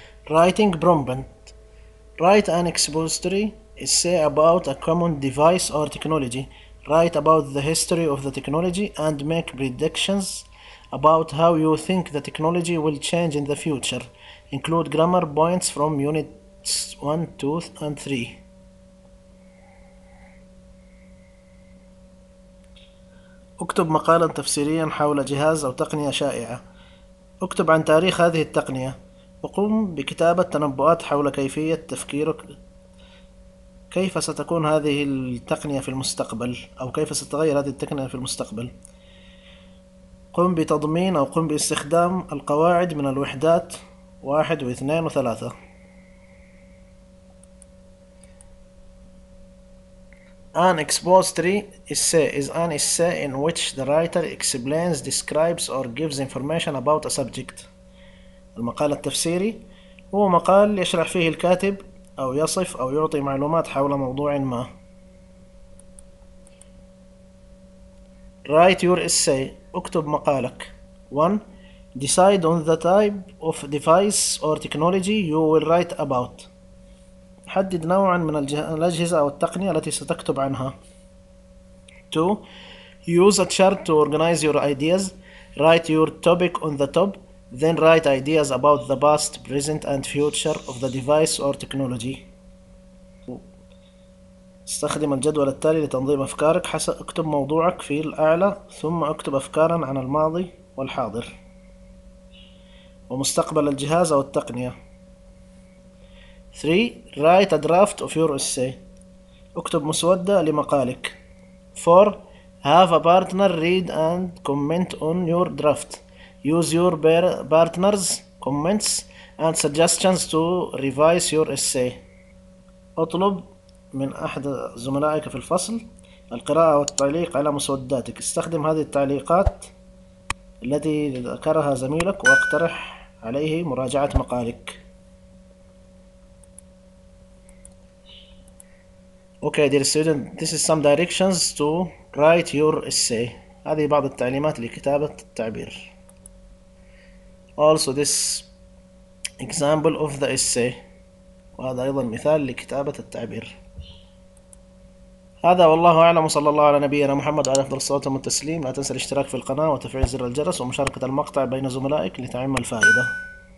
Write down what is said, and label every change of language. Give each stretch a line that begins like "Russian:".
English: Writing prompt. Write an expository essay about a common device or technology. Write about the history of the technology and make predictions about how you think the technology will change in the future. Include grammar points from units 1, 2, and 3.
Arabic: اكتب مقالا تفسيريا حول جهاز أو تقنية شائعة. اكتب عن تاريخ هذه التقنية وقم بكتابة تنبؤات حول كيفية تفكيرك. كيف ستكون هذه التقنية في المستقبل أو كيف ستتغير هذه التقنية في المستقبل. قم بتضمين أو قم باستخدام القواعد من الوحدات 1 و 2 و 3.
English: An expository essay is an essay in which the writer explains, describes, or gives information about a subject.
Arabic: المقال التفسيري هو مقال يشرح فيه الكاتب أو يصف أو يعطي معلومات حول موضوع ما.
English: Write your essay.
Arabic: اكتب مقالك.
English: 1. Decide on the type of device or technology you will write about.
Arabic: حدد نوعا من الأجهزة أو التقنية التي ستكتب عنها.
English: 2. Use a chart to organize your ideas. Write your topic on the top, then write ideas about the past, present, and future of the device or technology.
Arabic: استخدم الجدول التالي لتنظيم أفكارك. اكتب موضوعك في الأعلى ثم اكتب أفكارا عن الماضي والحاضر ومستقبل الجهاز أو التقنية. 3.
English: Write a draft of your essay.
Arabic: اكتب مسودة لمقالك. 4.
English: Have a partner read and comment on your draft. Use your partner's comments and suggestions to revise your essay.
Arabic: اطلب من أحد زملائك في الفصل القراءة والتعليق على مسوداتك. استخدم هذه التعليقات التي ذكرها زميلك واقترح عليه مراجعة مقالك.
English: Okay, dear student, this is some directions to write your essay.
Arabic: هذه بعض التعليمات لكتابة التعبير.
English: Also, this example of the essay.
Arabic: وهذا أيضا مثال لكتابة التعبير. هذا والله أعلم، وصلى الله على نبينا محمد على أفضل الصلاة والتسليم. لا تنسى الاشتراك في القناة وتفعيل زر الجرس ومشاركة المقطع بين زملائك لتعم الفائدة.